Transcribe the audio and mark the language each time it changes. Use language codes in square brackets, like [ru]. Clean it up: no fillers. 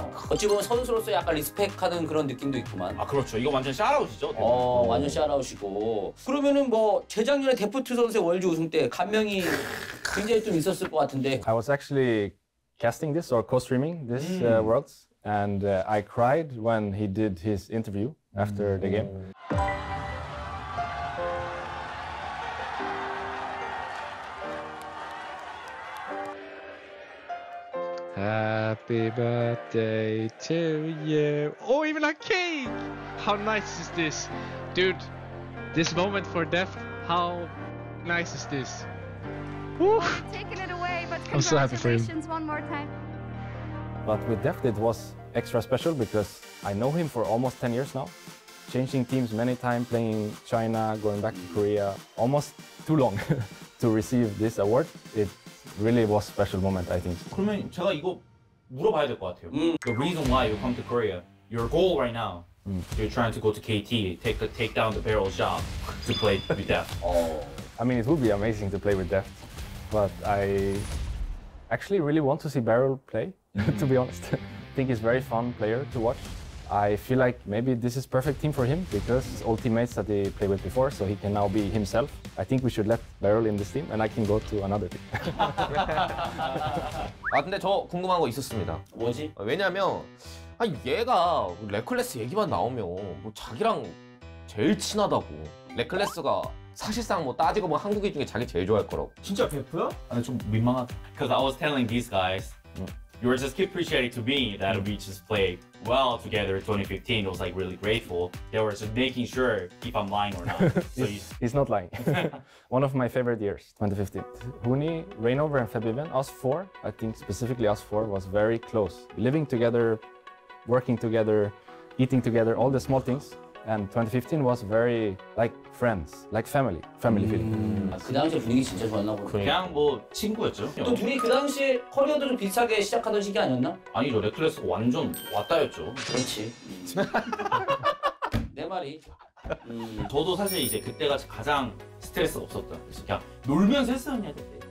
[ko] 어찌 보면 선수로서 약간 리스펙하는 그런 느낌도 있구만. 아 그렇죠. 이거 완전 샤라웃이죠. 어 완전 샤라웃이고. 그러면은 뭐 재작년에 데프트 선수의 월드 우승 때 감명이 굉장히 좀 있었을 것 같은데. [en] I was actually casting this or co-streaming this Worlds, and I cried when he did his interview after the game. Happy birthday to you. Oh, even a cake! How nice is this? Dude, this moment for Deft, how nice is this? Woo! I'm taking it away, but congratulations one more time. But with Deft, it was extra special because I know him for almost 10 years now. Changing teams many times, playing China, going back to Korea, almost too long to receive this award. It really was a special moment, I think. [ko] 그러면 제가 이거 물어봐야 될 것 같아요. [en] The reason why you come to Korea, your goal right now, you're trying to go to KT, take down the barrel job to play with Deft. I mean, it would be amazing to play with Deft, but I actually really want to see Barrel play, to be honest. I think he's a very fun player to watch. I feel like maybe this is perfect team for him because it's all teammates that he played with before, so he can now be himself. I think we should let Barrel in this team and I can go to another team. [ko] 아 근데 저 궁금한 거 있었습니다. 뭐지? 왜냐면 아니 얘가 레클레스 얘기만 나오면 뭐 자기랑 제일 친하다고. 레클레스가 사실상 뭐 따지고 뭐 한국인 중에 자기 제일 좋아할 거라고. 진짜 베프야? 아니 좀 민망하다. [en] Because I was telling these guys, you were just keep appreciating to me that we just played well together in 2015. I was like really grateful. They were just making sure if I'm lying or not. he's not lying. One of my favorite years, 2015. Hooney, Rainover, and Febiven, us four, I think specifically us four, was very close. Living together, working together, eating together, all the small things. And 2015 was very like friends, like family, family feeling. [ko] 그 당시 분위기 진짜 좋았나 보네. 그냥 뭐 친구였죠. 또 둘이 그 당시 커리어도 좀 비슷하게 시작하던 시기 아니었나? 아니죠. 레클레스 완전 왔다였죠. 그렇지. 내 말이. 저도 사실 이제 그때가 가장 스트레스 없었던. 그래서 그냥 놀면서 했었는데.